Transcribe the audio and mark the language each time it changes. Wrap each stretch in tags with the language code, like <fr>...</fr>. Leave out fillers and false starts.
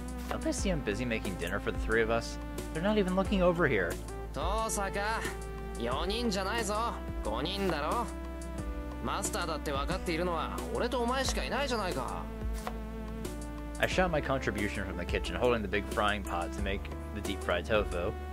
<en>Don't they see I'm busy making dinner for the three of us? They're not even looking over here.</en> <ja>トーサカ、4人じゃないぞ、5人だろ。マスターだって分かっているのは俺とお前しかいないじゃないか。</ja> <en>I shout my contribution from the kitchen, holding the big frying pot to make the deep-fried tofu.</en>